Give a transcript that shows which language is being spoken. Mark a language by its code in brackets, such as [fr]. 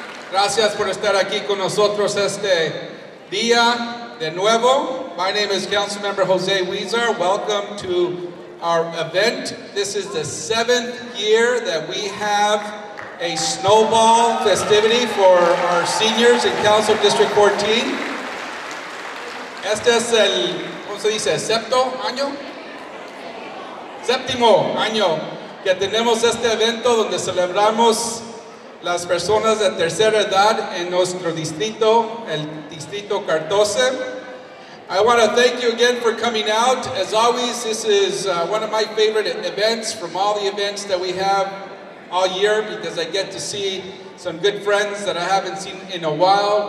[es] Gracias por estar aquí con nosotros este día de nuevo. [en] My name is Councilmember José Huizar. Welcome to our event. This is the seventh year that we have a snowball festivity for our seniors in Council District 14. [es] Este es el, ¿cómo se dice? ¿Septo año? Séptimo año que tenemos este evento donde celebramos las personas de tercera edad en nuestro distrito, el distrito Cardoce. [en] I want to thank you again for coming out. As always, this is one of my favorite events from all the events that we have all year because I get to see some good friends that I haven't seen in a while.